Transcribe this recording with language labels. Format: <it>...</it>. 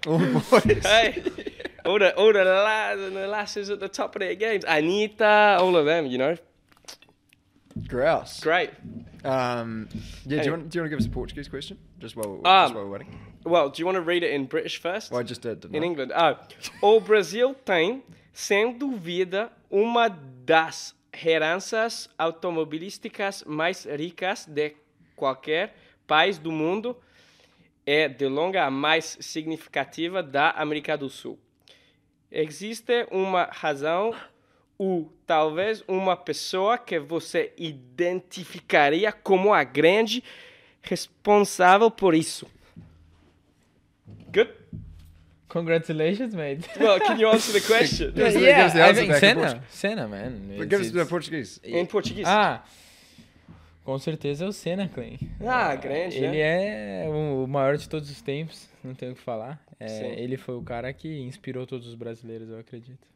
<en>All the boys. Hey, all the lads and the lasses at the top of their games. Anita, all of them, you know? Grouse. Great. Do you want to give us a Portuguese question? Just while we're waiting. Well, do you want to read it in British first? Well, I just did. In England.</en> <pt>O Brasil tem, sem dúvida, uma das heranças automobilísticas mais ricas de qualquer país do mundo, é de longa a mais significativa da América do Sul. Existe uma razão ou talvez uma pessoa que você identificaria como a grande responsável por isso.</pt> <en>Congratulations, mate. Well, can you answer the question? Senna, man. But give us the Portuguese. In Portuguese.</en> <pt>Ah, com certeza é o Senna, Clay. Ah, grande. Ele é o maior de todos os tempos, não tenho o que falar. Ele foi o cara que inspirou todos os brasileiros, eu acredito.</pt>